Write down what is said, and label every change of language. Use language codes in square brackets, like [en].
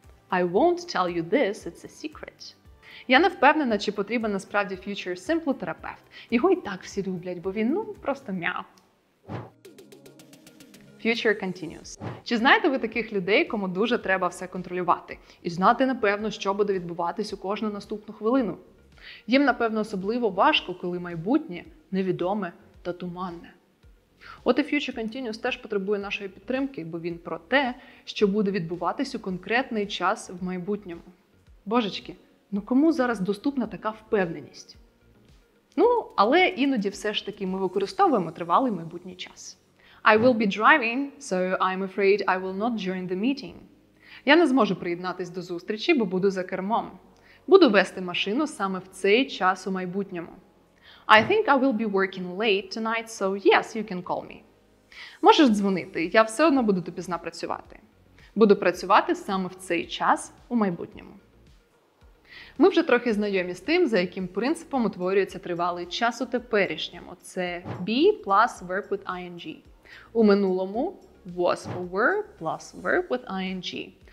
[en] I won't tell you this, it's a secret. [uk] Я не впевнена, чи потрібен насправді future simple терапевт. Його і так всі люблять, бо він, ну, просто мяу. [en] Future continuous. [uk] Чи знаєте ви таких людей, кому дуже треба все контролювати? І знати, напевно, що буде відбуватись у кожну наступну хвилину? Їм, напевно, особливо важко, коли майбутнє невідоме та туманне. От і Future Continuous теж потребує нашої підтримки, бо він про те, що буде відбуватись у конкретний час в майбутньому. Божечки, ну кому зараз доступна така впевненість? Ну, але іноді все ж таки ми використовуємо тривалий майбутній час. [en] I will be driving, so I'm afraid I will not join the meeting. [uk] Я не зможу приєднатись до зустрічі, бо буду за кермом. Буду вести машину саме в цей час у майбутньому. [en] I think I will be working late tonight, so yes, you can call me. [uk] Можеш дзвонити, я все одно буду допізна працювати. Буду працювати саме в цей час у майбутньому. Ми вже трохи знайомі з тим, за яким принципом утворюється тривалий час у теперішньому. Це [en] be plus verb with ing. [uk] У минулому [en] was a verb plus verb with ing.